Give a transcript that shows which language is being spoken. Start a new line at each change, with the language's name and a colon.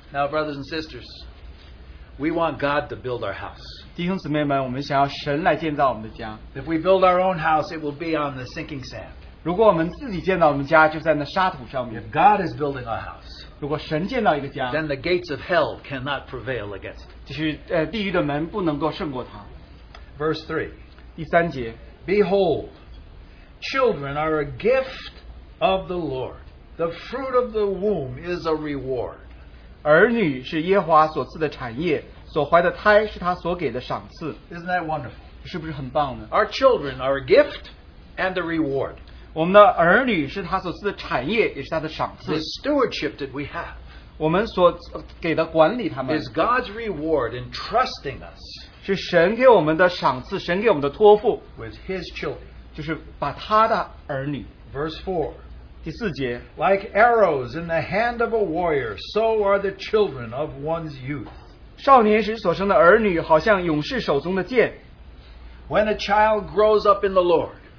English: Now brothers and sisters, we want God to build our house.
Chinese: 弟兄姊妹们，我们想要神来建造我们的家。
English: If we build our own house, it will be on the sinking sand.
Chinese: 如果我们自己建造我们家，就在那沙土上面。
English: If God is building our house,
Chinese: 如果神建造一个家,
English: then the gates of hell cannot prevail against it.
Chinese: 就是地狱的门不能够胜过它。
English: Verse 3.
Chinese: 第三节,
English: Behold, children are a gift of the Lord. The fruit of the womb is a reward.
Chinese: 儿女是耶和华所赐的产业，所怀的胎是他所给的赏赐。
English: Isn't that wonderful?
Chinese: 是不是很棒呢？
English: Our children are a gift and a reward.
Chinese: 我们的儿女是他所赐的产业，也是他的赏赐。
English: The stewardship that we have,
Chinese: 我们所给的管理他们,
English: is God's reward in trusting us,
Chinese: 是神给我们的赏赐，神给我们的托付,
English: with His children,
Chinese: 就是把他的儿女。
English: Verse 4.
Chinese: 第四节,
English: like arrows in the hand of a warrior, so are the children of one's youth.
Chinese: 少年时所生的儿女好像勇士手中的剑。
English: When a child grows up in the Lord,